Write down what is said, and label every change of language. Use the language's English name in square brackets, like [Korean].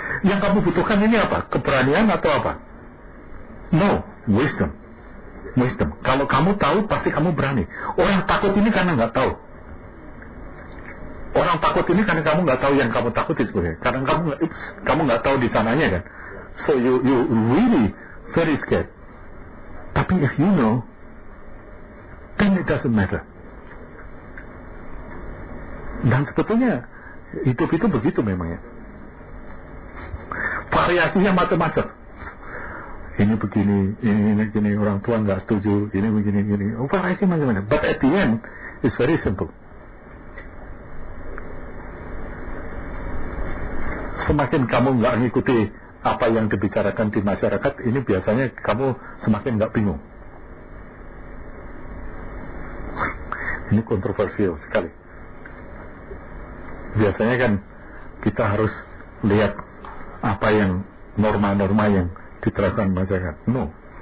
[Indonesian] Yang kamu butuhkan ini apa? Keberanian atau apa? [English] No, wisdom. Wisdom. [Indonesian] Kalau kamu tahu, pasti kamu berani. Orang takut ini karena nggak tahu. Orang takut ini karena kamu nggak tahu yang kamu takut itu sebenarnya. Karena kamu nggak tahu di sananya kan. [English] So you really very scared. [Indonesian] Tapi [English] if you know, then it doesn't matter. [Indonesian] Dan sebetulnya hidup itu begitu memangnya. Variasinya macam-macam. Ini begini, ini begini, orang tua enggak setuju, ini begini, ini. Oh, variasi macam-macam. [English] But at the end, it's very simple. [Indonesian] Semakin kamu enggak mengikuti apa yang dibicarakan di masyarakat, ini biasanya kamu semakin enggak bingung. Ini kontroversial sekali. Biasanya kan kita harus lihat apa yang norma-norma yang diterapkan masyarakat. No.